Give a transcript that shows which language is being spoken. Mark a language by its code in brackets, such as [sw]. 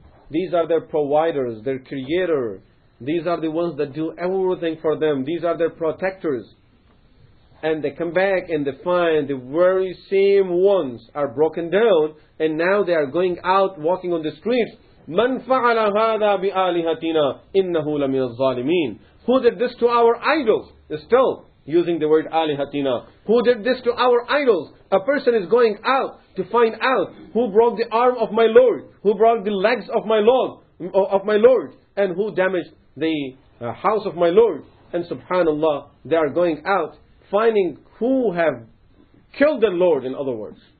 [en] These are their providers, their creator. These are the ones that do everything for them. These are their protectors. And they come back and they find the very same ones are broken down, and now they are going out walking on the streets. [ar] مَنْ فَعَلَ هَذَا بِآلِهَتِنَا إِنَّهُ لَمِنَ الظَّالِمِينَ [en] Who did this to our idols? Still using the word آلِهَتِنَا. Who did this to our idols? A person is going out to find out who broke the arm of my Lord, who broke the legs of my Lord, and who damaged the house of my Lord. And subhanAllah, they are going out finding who have killed the Lord, in other words.